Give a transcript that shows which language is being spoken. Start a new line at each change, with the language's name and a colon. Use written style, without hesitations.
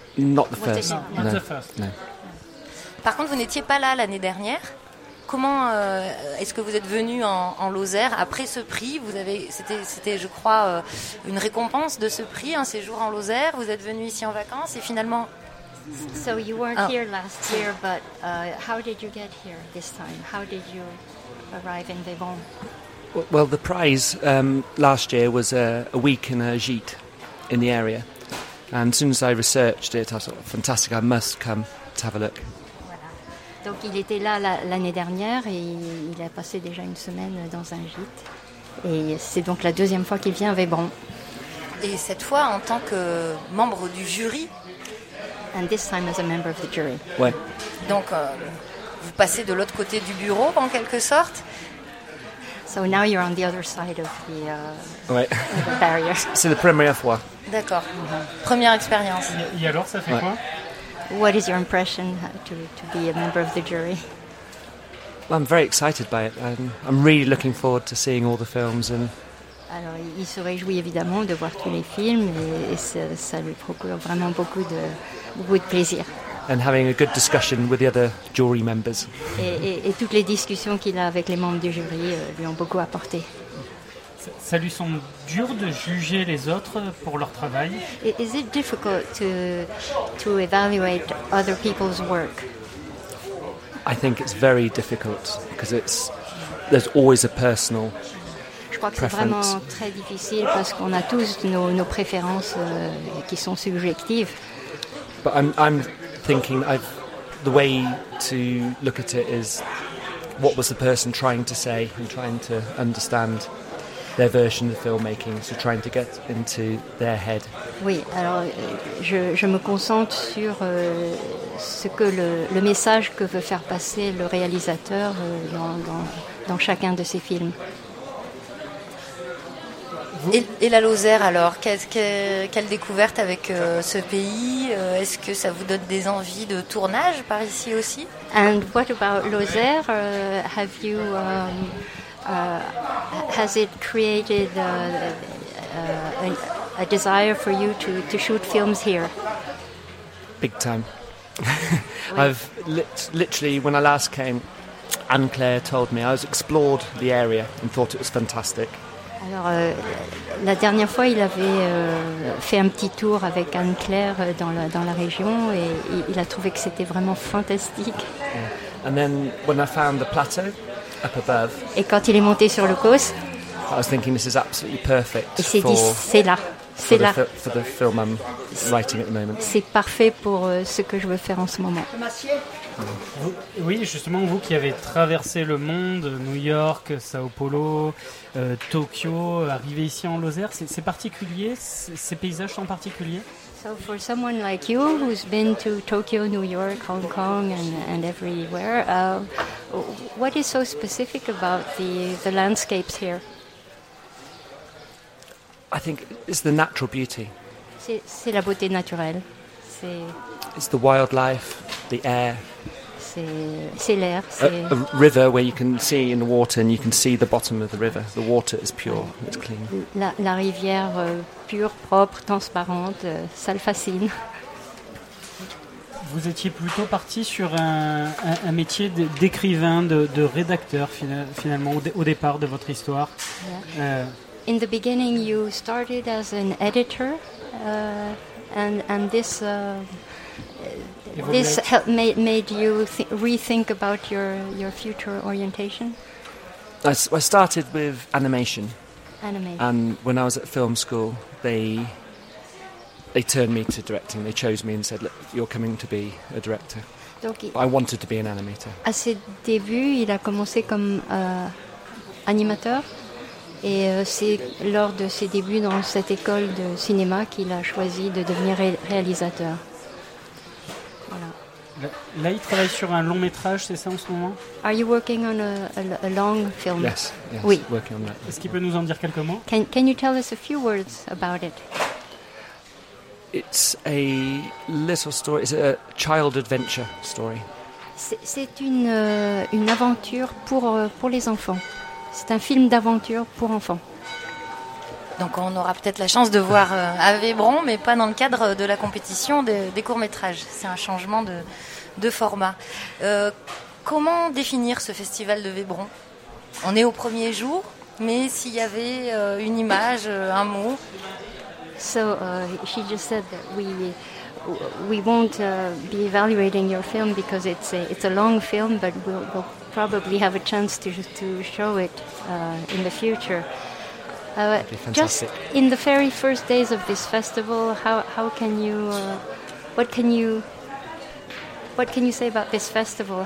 English: Not the first.
French: Par contre, vous n'étiez pas là l'année dernière. Comment est-ce que vous êtes venu en Lozère après ce prix? C'était, je crois, une récompense de ce prix, un séjour en Lozère. Vous êtes venu ici en vacances et finalement.
English: So you weren't here last year, but how did you get here this time? How did you arrive in Vébron? Well, the prize last year was a week in a gîte in the area, and as soon as I researched it, I thought, fantastic, I must come to have a look.
French: Donc il était là l'année dernière et il a passé déjà une semaine dans un gîte. Et c'est donc la deuxième fois qu'il vient à Vébron. Et cette fois en tant que membre du jury.
English: And this time as a member of the jury.
French: Ouais. Donc vous passez de l'autre côté du bureau en quelque sorte.
English: So now you're on the other side of the,
French: ouais.
English: the barrier.
French: C'est la première fois. D'accord. Mm-hmm. Première expérience. Et alors ça fait ouais. quoi?
English: What is your impression to be a member of the jury? Well, I'm very excited by it. I'm really looking forward to seeing all the films. And
French: alors, il se réjouit évidemment de voir tous les films et ça lui procure vraiment beaucoup de plaisir.
English: And having a good discussion with the other jury members.
French: Et toutes les discussions qu'il a avec les membres du jury lui ont beaucoup apporté. Ça lui semble dur de juger les autres pour leur travail.
English: Is it difficult to evaluate other people's work? I think it's very difficult because there's always a personal.
French: Je crois que c'est vraiment très difficile parce qu'on a tous nos préférences qui sont subjectives.
English: But I'm thinking the way to look at it is what was the person trying to say and trying to understand. Their version of filmmaking, so trying to get into their head.
French: Oui, alors je me concentre sur ce que le message que veut faire passer le réalisateur dans chacun de ses films. Et la Lozère alors, quelle découverte avec ce pays? Est-ce que ça vous donne des envies de tournage par ici aussi?
English: And what about Lozère? Have you has it created a desire for you to shoot films here? Big time. I've literally, when I last came, Anne-Claire told me I was explored the area and thought it was fantastic.
French: Alors, la dernière fois, il avait fait un petit tour avec Anne-Claire dans la région et il a trouvé que c'était vraiment fantastique.
English: Yeah. And then when I found the plateau. Up above.
French: Et quand il est monté sur le Cos,
English: I was thinking this is absolutely perfect.
French: Il s'est dit c'est là.
English: For the film I'm writing at the moment.
French: C'est parfait pour ce que je veux faire en ce moment. Oui, justement, vous qui avez traversé le monde, New York, Sao Paulo, Tokyo, arrivé ici en Lozère, c'est particulier, ces paysages sont particuliers.
English: So for someone like you who's been to Tokyo, New York, Hong Kong and everywhere, what is so specific about the landscapes here? I think it's the natural beauty.
French: C'est la beauté naturelle.
English: It's the wildlife, the air.
French: C'est l'air.
English: A river where you can see in the water and you can see the bottom of the river. The water is pure, it's clean.
French: La rivière pure, propre, transparente, ça le fascine. Vous étiez plutôt parti sur un métier d'écrivain, de rédacteur finalement au départ de votre histoire.
English: Yeah. In the beginning, you started as an editor and this. This helped, made you rethink about your future orientation? I started with animation. Animation. And when I was at film school, they turned me to directing. They chose me and said, look, you're coming to be a director.
French: Donc,
English: I wanted to be an animator.
French: À ses débuts, il a commencé comme animateur. Et c'est lors de ses débuts dans cette école de cinéma qu'il a choisi de devenir réalisateur. Voilà. Là, il travaille sur un long métrage, c'est ça en ce moment?
English: Are you working on a long film? Yes.
French: Oui.
English: Working on that.
French: Est-ce qu'il peut nous en dire quelques mots?
English: Can you tell us a few words about it? It's a little story. It's a child adventure story.
French: C'est une aventure pour les enfants. C'est un film d'aventure pour enfants. Donc on aura peut-être la chance de voir Ave Bron, mais pas dans le cadre de la compétition des courts-métrages. C'est un changement de format. Comment définir ce festival de Vébron? On est au premier jour, mais s'il y avait une image, un mot...
English: So she just said that we won't be evaluating your film because it's a long film, but we'll probably have a chance to show it in the future. Just in the very first days of this festival, how can you what can you say about this festival?